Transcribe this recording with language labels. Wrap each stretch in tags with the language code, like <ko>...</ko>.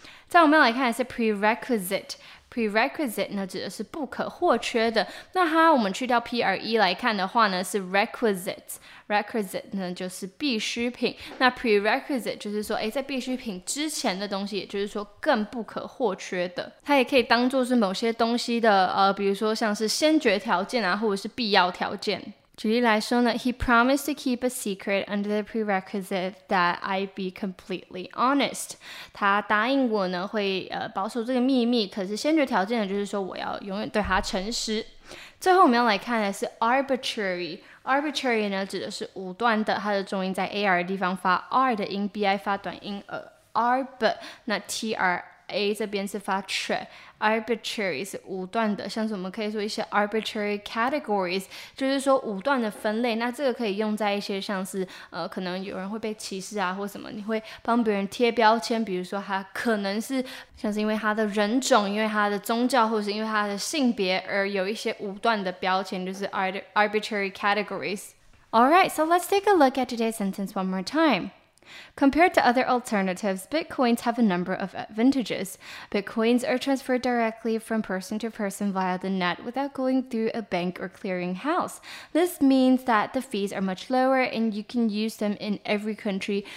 <zh>再我们来看的是 prerequisite。prerequisite 呢指的是不可或缺的，那它我们去掉 PRE 来看的话呢是 requisite。 requisite 呢就是必需品，那 prerequisite 就是说诶在必需品之前的东西，也就是说更不可或缺的。它也可以当作是某些东西的比如说像是先决条件啊或者是必要条件。举例来说呢</zh> <en>He promised to keep a secret under the prerequisite that I be completely honest.</en> <zh>他答应我呢会保守这个秘密，可是先决条件呢就是说我要永远对他诚实。最后我们要来看的是 arbitrary。arbitrary 呢指的是武断的，它的重音在 AR 的地方发 R 的音， BI 发短音 ARB， 那 TRI A 这边是发 arbitrary 是武断的，像是我们可以说一些 arbitrary categories， 就是说武断的分类。那这个可以用在一些像是可能有人会被歧视啊或什么，你会帮别人贴标签，比如说他可能是像是因为他的人种，因为他的宗教，或是因为他的性别而有一些武断的标签，就是 arbitrary categories。</zh> <en>Alright, so let's take a look at today's sentence one more timeCompared to other alternatives, Bitcoins have a number of advantages. Bitcoins are transferred directly from person to person via the net without going through a bank or clearing house. This means that the fees are much lower and you can use them in every country.</en>